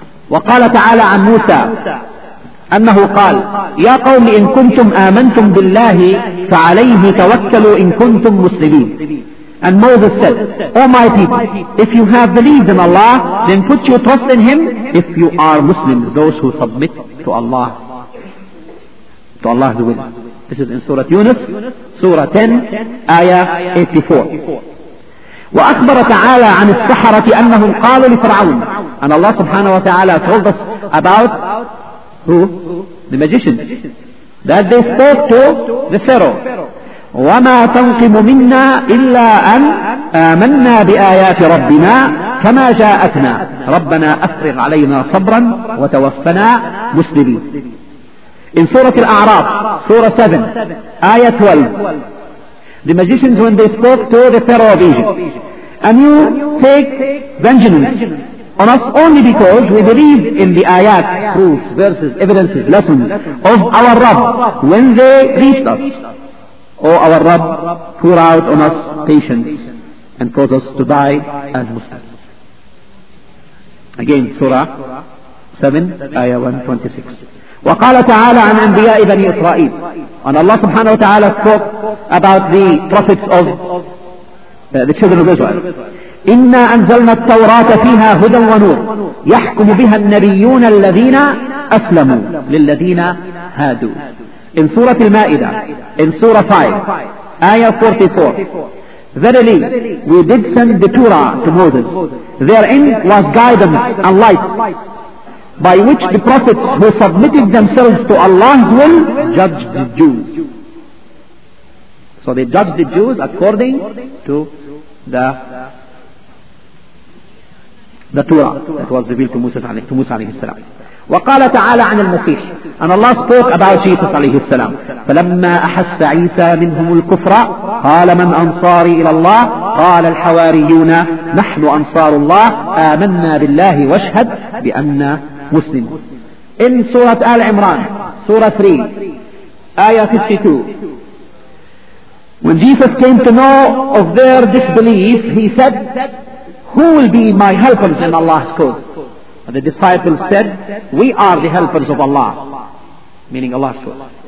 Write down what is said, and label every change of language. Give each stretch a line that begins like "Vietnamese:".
Arabic: وَقَالَ تَعَالَى عَنْ مُوسَى أنه قال يا قوم إن كنتم آمنتم بالله فعليه توكلوا إن كنتم مسلمين.
English: And Moses said, O my people, if you have believed in Allah, then put your trust in Him if you are Muslims, those who submit to Allah, to Allah's will. This is in Surah Yunus, Surah 10, Ayah 84.
Arabic: وأخبر تعالى عن السحرة أنهم قالوا لفرعون.
English: And Allah subhanahu wa ta'ala told us about who? The magicians. That they spoke to the Pharaoh.
Arabic: وَمَا تَنْقِمُ مِنَّا إِلَّا أَنْ آمَنَّا بِآيَاتِ رَبِّنَا كَمَا جَاءَتْنَا رَبَّنَا أَفْرِغْ عَلَيْنَا صَبْرًا وَتَوَفَّنَا مُسْلِمِينَ.
English: In Surah Al-A'raf, Surah 7, Ayah 12. The magicians, when they spoke to the Pharaoh of Egypt, and you take vengeance on us only because we believe in the ayat, proofs, verses, evidences, lessons of our Rabb when they reached us. Oh, our Rabb, pour out on us patience and cause us to die as Muslims. Again, Surah 7, Ayah 126.
Arabic: وقال تعالى عن أنبياء بني إسرائيل.
English: And Allah subhanahu wa ta'ala spoke about the prophets of the children of Israel.
Arabic: إنا أنزلنا التوراة فيها هدى ونور يحكم بها النبيون الذين أسلموا للذين هادوا.
English: In Surah Al-Ma'idah, in Surah 5, Ayah 44, Verily, we did send the Torah to Moses. Therein was guidance and light by which the prophets who submitted themselves to Allah's will judged the Jews. So they judged the Jews according to the Torah that was revealed to Musa alayhi salam.
Arabic: وقال تعالى عن المسيح.
English: And Allah spoke about Jesus عليه السلام.
Arabic: فلما أحس عيسى منهم الكفر قال من أنصاري إلى الله قال الحواريون نحن أنصار الله آمنا بالله واشهد بأننا مسلم.
English: In Surah Al Imran, Surah 3, Ayah 52, when Jesus came to know of their disbelief, he said, Who will be my helpers in Allah's cause? And the disciples said, We are the helpers of Allah, meaning Allah's cause.